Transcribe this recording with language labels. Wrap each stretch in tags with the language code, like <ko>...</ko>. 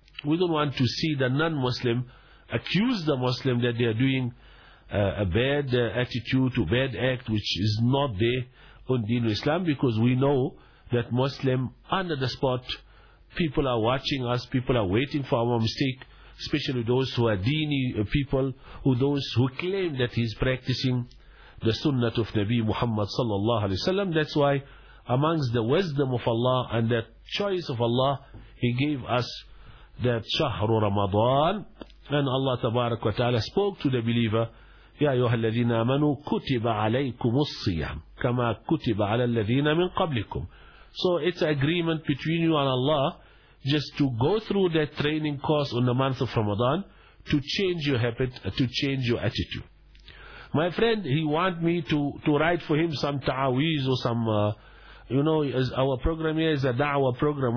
<en>We don't want to see the non-Muslim accuse the Muslim that they are doing a bad attitude or bad act which is not there on Deen Islam, because we know that Muslim under the spot, people are watching us, people are waiting for our mistake, especially those who are Deeni people, who those who claim that he is practicing the Sunnah of Nabi Muhammad sallallahu alaihi wasallam. That's why amongst the wisdom of Allah and the choice of Allah, he gave us that Shahru Ramadan. And Allah tabarak wa ta'ala spoke to the believer,</en> <ar>يَا أَيُّهَا الَّذِينَ آمَنُوا كُتِبَ عَلَيْكُمُ الصِّيَامُ كَمَا كُتِبَ عَلَى الَّذِينَ مِنْ قَبْلِكُمْ.</ar> <en>So it's an agreement between you and Allah just to go through that training course on the month of Ramadan to change your habit, to change your attitude. My friend, he want me to write for him some ta'aweez or some, you know, as our program here is a da'wah program.</en>